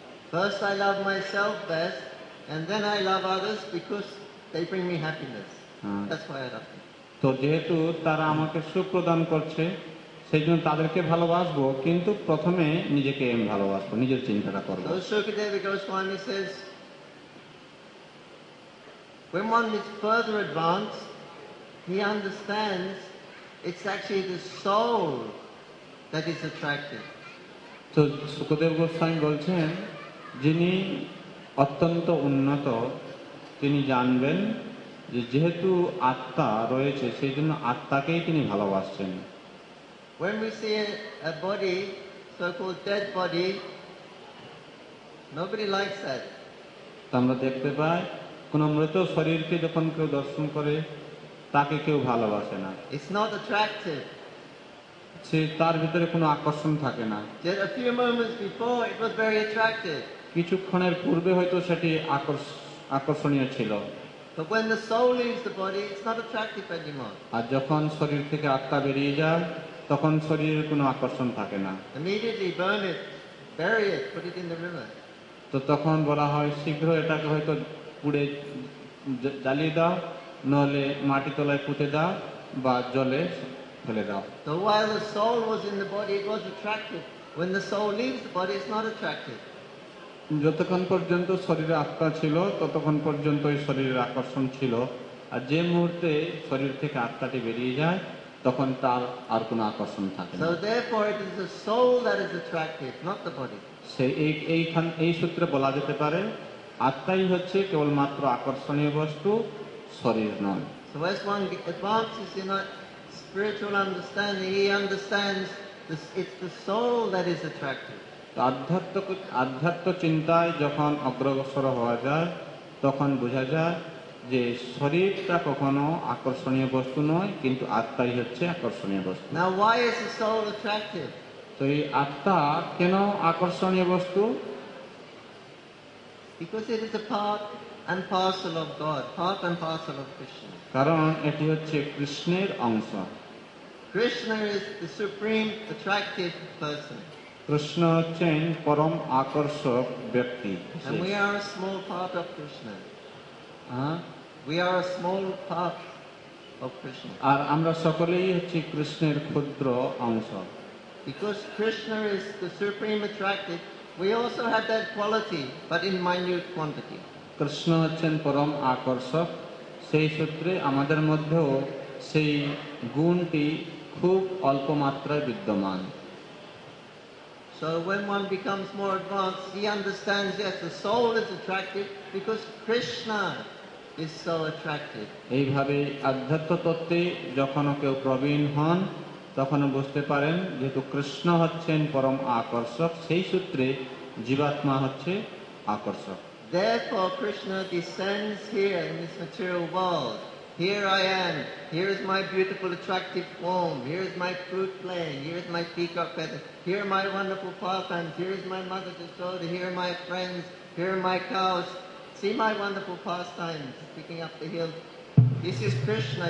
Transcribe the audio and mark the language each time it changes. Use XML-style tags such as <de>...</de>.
<en>First I love myself best and then I love others because they bring me happiness. That's why I love them.</en> <bn>তো যেহেতু তারা আমাকে সুখ প্রদান করছে সেই জন্য তাদেরকে ভালোবাসবো, কিন্তু প্রথমে নিজেকে আমি ভালোবাসবো, নিজের চিন্তাটা করবো।</bn> <en>Sukadev Goswami says, when one is further advanced, he understands it's actually the soul that is attractive.</en> <bn>তো সুখদেব গোস্বামী বলছেন যিনি অত্যন্ত উন্নত তিনি জানবেন যেহেতু আত্মা রয়েছে সেই জন্য আত্মাকেই তিনি ভালোবাসছেন।</bn> <en>When we see a body, so-called dead body, nobody likes that.</en> <bn>তা আমরা দেখতে পাই কোন মৃত শরীরকে যখন কেউ দর্শন করে তাকে কেউ ভালোবাসে না।</bn> <en>It's not attractive.</en> <bn>সে তার ভিতরে কোনো আকর্ষণ থাকে না।</bn> <en>Just a few moments before it was very attractive.</en> <bn>কিছুক্ষণের পূর্বে হয়তো সেটি আকর্ষণীয় ছিল।</bn> <en>But when the soul leaves the body, it's not attractive anymore.</en> <bn>আর যখন শরীর থেকে আত্মা বেরিয়ে যায় তখন শরীরের কোনো আকর্ষণ থাকে না।</bn> <en>Immediately burn it, bury it, put it in the river.</en> <bn>তো তখন বলা হয় শীঘ্র এটাকে হয়তো পুড়ে জ্বালিয়ে দাও, নলে মাটি তলায় পুঁতে দাও বা জলে ফেলে দাও।</bn> <en>So while the soul was in the body, it was attractive. When the soul leaves the body, it's not attractive.</en> <bn>যতক্ষণ পর্যন্ত শরীরে আত্মা ছিল ততক্ষণ পর্যন্ত এই শরীরের আকর্ষণ ছিল, আর যে মুহূর্তে শরীর থেকে আত্মাটি বেরিয়ে যায় তখন তার আর কোনো আকর্ষণ থাকে না।</bn> <en>So therefore it is the soul that is attractive, not the body.</en> <bn>এই সূত্রে বলা যেতে পারে আত্মাই হচ্ছে কেবল মাত্র আকর্ষণীয় বস্তু, শরীর নয়।</bn> <en>So as one advances in a spiritual understanding, he understands this, it's the soul that is attractive.</en> <bn>আধ্যাত্ম চিন্তায় যখন অগ্রসর হওয়া যায় তখন বোঝা যায় যে শরীরটা কখনো আকর্ষণীয় বস্তু নয়, কিন্তু আত্মাই হচ্ছে আকর্ষণীয় বস্তু।</bn> <en>Now why is the soul attractive?</en> <bn>তো এই আত্মা কেন আকর্ষণীয় বস্তু?</bn> <en>Because it is a part and parcel of God, part and parcel of Krishna.</en> <bn>কারণ এটি হচ্ছে কৃষ্ণের অংশ।</bn> <en>Krishna is the supreme attractive person.</en> <bn>Krishna chain param akarshak vyakti.</bn> <en>And we are a small part of Krishna. We are a small part of Krishna.</en> <bn>Ar amra sokolei hocchi Krishner khudro ansho.</bn> <en>Because Krishna is the supreme attractive, we also have that quality, but in minute quantity.</en> <bn>Krishna chain param akarshak. সেই সূত্রে আমাদের মধ্যেও সেই গুণটি খুব অল্প মাত্রায় বিদ্যমান।</bn> <en>So when one becomes more advanced, he understands that the soul is attractive because Krishna is so attractive.</en> <bn>এইভাবে অধ্যাত্ম তত্ত্বে যখন কেউ প্রবীণ হন তখন বুঝতে পারেন যেহেতু কৃষ্ণ হচ্ছেন পরম আকর্ষক সেই সূত্রে জীবাত্মা হচ্ছে আকর্ষক।</bn> <en>Therefore, Krishna descends here in this material world. Here I am. Here is my beautiful, attractive form. Here is my fruit plane. Here is my peacock feather. Here are my wonderful pastimes. Here is my mother to show. Here are my friends. Here are my cows. See my wonderful pastimes, picking up the hill. This is Krishna.</en>